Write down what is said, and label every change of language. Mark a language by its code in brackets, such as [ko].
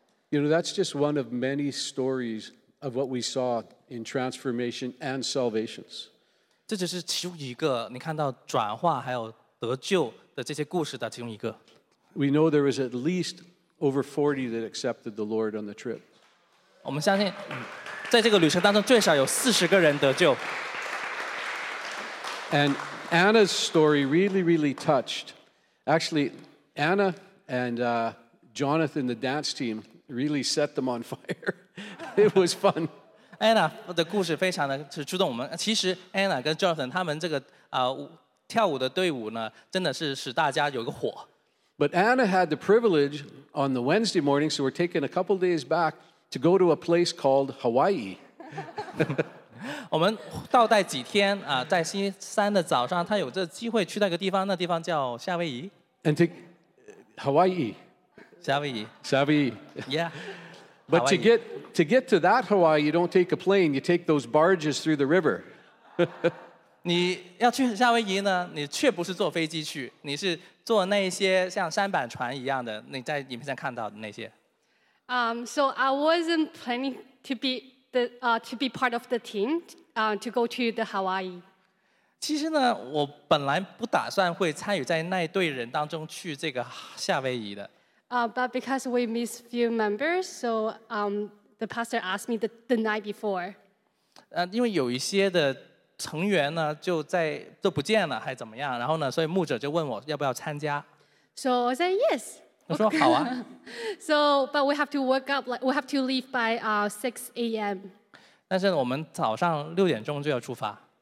[en] You know, that's just one of many stories of what we saw in transformation and salvations. [zh] 这只是其中一个，你看到转化还有得救的这些故事的其中一个。 [en] We know there was at least over 40 that accepted the Lord on the trip. [zh] 我们相信，在这个旅程当中，最少有40个人得救。 [en] And Anna's story really, really touched. Actually, Anna and Jonathan, the dance team, really set them on fire. It was fun. [zh] Anna的故事非常的触动我们。其实Anna跟Jonathan他们这个跳舞的队伍呢，真的是使大家有个火。 [en] But Anna had the privilege on the Wednesday morning, so we're taking a couple days back to go to a place called Hawaii. [zh] 我们倒带几天，在星期三的早上，他有这机会去到一个地方，那地方叫夏威夷。 [en] And to Hawaii. [zh] 夏威夷。夏威夷。 [en] Yeah. But to get to that Hawaii, you don't take a plane, you take those barges through the river. [zh] 你要去夏威夷呢，你却不是坐飞机去，你是坐那些像舢板船一样的，你在影片上看到的那些。 [en] So I wasn't planning to be part of the team to go to the Hawaii. [zh] 其实呢，我本来不打算会参与在那一队人当中去这个夏威夷的。 [en] But because we missed few members, so the pastor asked me the night before. [zh] 因为有一些的成员呢，就在都不见了，还怎么样？然后呢，所以牧者就问我要不要参加。 [en] So I said yes. [zh] 我说好啊。 [en] So, but we have to wake up, like we have to leave by 6 a.m. [zh] 但是我们早上6点钟就要出发。